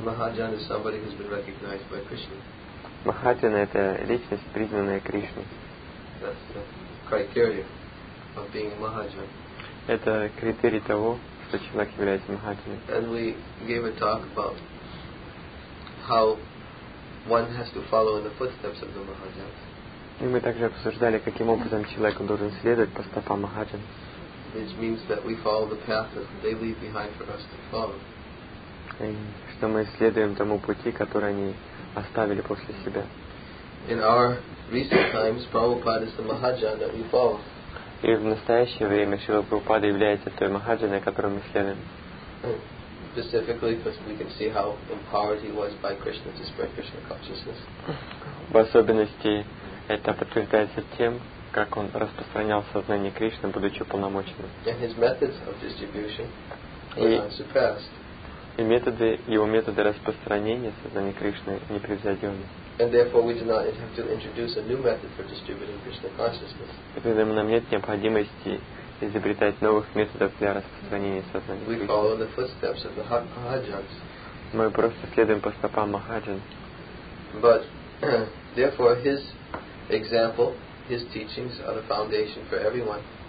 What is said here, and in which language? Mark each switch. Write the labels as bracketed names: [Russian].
[English] Махаджан is somebody who's been recognized by Krishna. [Russian] Махаджан — это личность, признанная Кришной. [English] That's the criteria of being a Mahajan. [Russian] Это критерий того, что человек является махаджаном. [English] And we gave a talk about how one has to follow in the footsteps of the Mahajans. [Russian] И мы также обсуждали, каким образом человек должен следовать по стопам махаджан. [English] Which means that we follow the path that they leave behind for us to follow. [Russian] И что мы следуем тому пути, который они оставили после себя. [English] In our recent times, Prabhupada is the Mahajan that we follow. [Russian] И в настоящее время Шрила Прабхупада является той махаджаной, которую мы следуем. [English] Specifically, because we can see how empowered he was by Krishna to spread Krishna consciousness. [Russian] В особенности это подтверждается тем, как он распространял сознание Кришны, будучи полномочным. [English] And his methods of distribution were unsurpassed. [Russian] И методы, его методы распространения сознания Кришны непревзойдённы. [English] And therefore, we do not have to introduce a new method for distributing Krishna consciousness. [Russian] Поэтому нам нет необходимости изобретать новых методов для распространения сознания. [English] We follow the footsteps of the Mahajans. [Russian] Мы просто следуем по стопам Махаджан. [English] But therefore, his example, his teachings are the foundation for everyone.